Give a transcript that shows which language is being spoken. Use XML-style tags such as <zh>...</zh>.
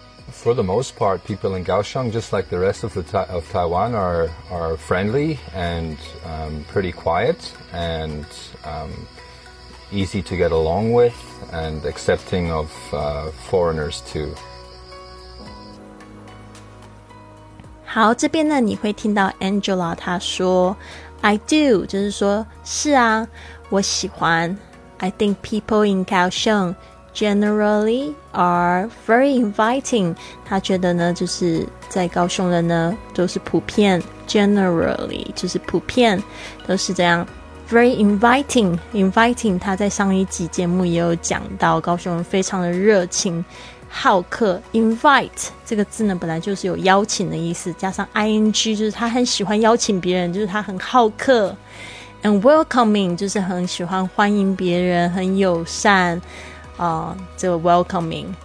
<en>For the most part, people in Kaohsiung, just like the rest of Taiwan, are friendly and pretty quiet and easy to get along with and accepting of foreigners too.</en> <zh>好，这边呢，你会听到 Angela 她说</zh> <en>I do，</en> <zh>就是说是啊，我喜欢。</zh> <en>I think people in Kaohsiung generally are very inviting，</en> <zh>她觉得呢，就是在高雄人呢都是普遍 generally 就是普遍都是这样 very inviting。 Inviting 她在上一集节目也有讲到，高雄人非常的热情好客。 invite 这个字呢，本来就是有邀请的意思，加上 ing 就是他很喜欢邀请别人，就是他很好客。</zh> <en>and welcoming</en> <zh>就是很喜欢欢迎别人，很友善这个 welcoming。</zh>